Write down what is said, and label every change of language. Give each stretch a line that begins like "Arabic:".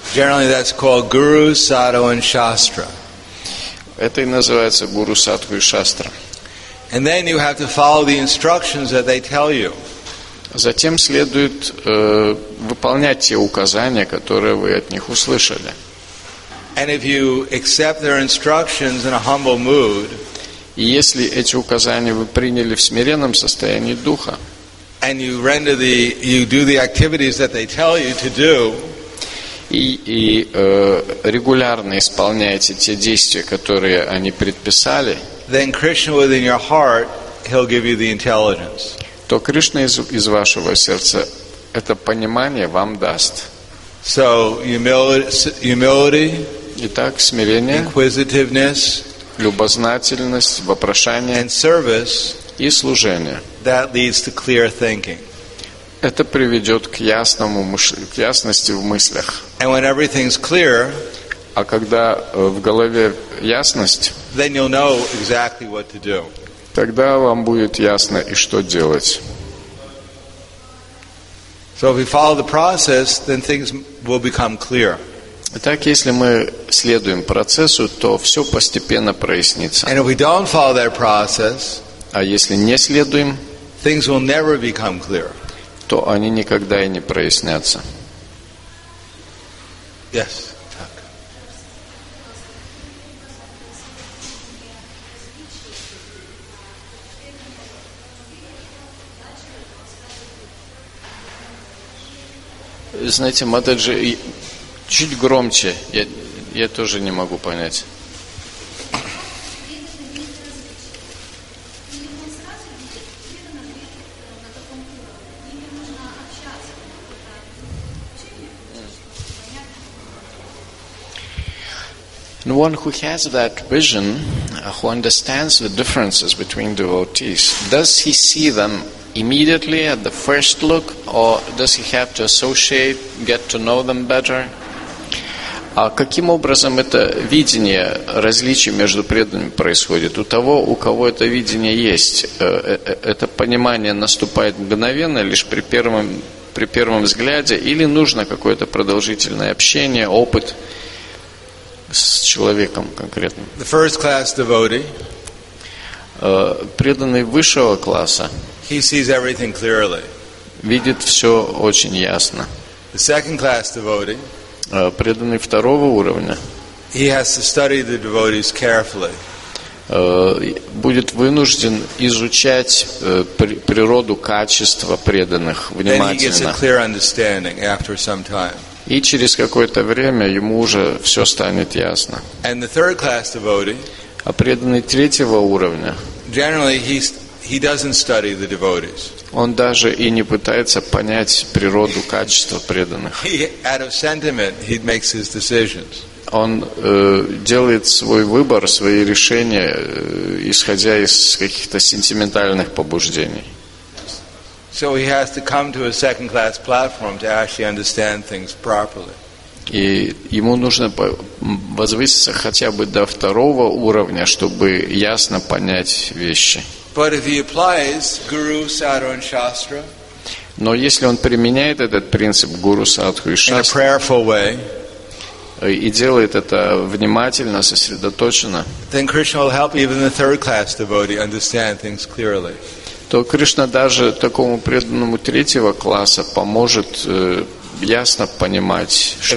English: Generally that's called guru, sadhu and shastra.
Russian: Это и называется гуру, садху и шастра.
English: And then you have to follow the instructions that they tell you.
Russian: Затем следует выполнять те указания, которые вы от них услышали.
English: And if you accept their instructions in a humble mood,
Russian: и если эти указания вы приняли в смиренном состоянии духа,
English: and you render you do the activities that they tell you to do,
Russian: и регулярно исполняете те действия, которые они предписали,
English: then Krishna within your heart, he'll give you the intelligence.
Russian: То Кришна из вашего сердца это понимание вам даст.
English: So humility,
Russian: итак, смирение,
English: inquisitiveness,
Russian: любознательность, вопрошание,
English: and service,
Russian: и служение.
English: That leads to clear thinking.
Russian: Это приведет к ясному к ясности в мыслях.
English: And when everything's clear,
Russian: а когда в голове ясность,
English: then you'll know exactly what to do.
Russian: Тогда вам будет ясно, и что делать.
English: So if we follow the process, then things will become clear.
Russian: Итак, если мы следуем процессу, то все постепенно прояснится.
English: And if we don't follow that process,
Russian: а если не следуем,
English: things will never become clear.
Russian: То они никогда и не прояснятся.
English: Yes.
Russian: Знаете, Матаджи, чуть громче, я тоже не могу понять.
English: One who has that vision, who understands the differences between devotees, does he see them immediately at the first look, or does he have to associate, get to know them better?
Russian: А каким образом это видение различий между преданными происходит? У того, у кого это видение есть, это понимание наступает мгновенно, лишь при первом взгляде, или нужно какое-то продолжительное общение, опыт с человеком конкретным?
English: The first class devotee,
Russian: преданный высшего класса,
English: he sees everything clearly.
Russian: Видит все очень ясно.
English: The second class devotee,
Russian: преданный второго уровня,
English: he has to study the devotees carefully.
Russian: Будет вынужден изучать природу качества преданных внимательно.
English: Then he gets a clear understanding after some time.
Russian: И через какое-то время ему уже все станет ясно.
English: And the third class devotee,
Russian: а преданный третьего уровня,
English: generally he doesn't study the devotees.
Russian: Он даже и не пытается понять природу качества преданных.
English: He, out of sentiment, he makes his decisions.
Russian: Он делает свой выбор, свои решения, исходя из каких-то сентиментальных побуждений.
English: So he has to come to a second-class platform to actually understand things properly.
Russian: И ему нужно возвыситься хотя бы до второго уровня, чтобы ясно понять вещи.
English: But if he applies Guru, Sadhu, and Shastra,
Russian: но если он применяет этот принцип Гуру, Садху и Шастра,
English: in a prayerful way,
Russian: и делает это внимательно, сосредоточенно,
English: then Krishna will help even the third-class devotee understand things clearly.
Russian: То Кришна даже такому преданному третьего класса поможет ясно понимать, что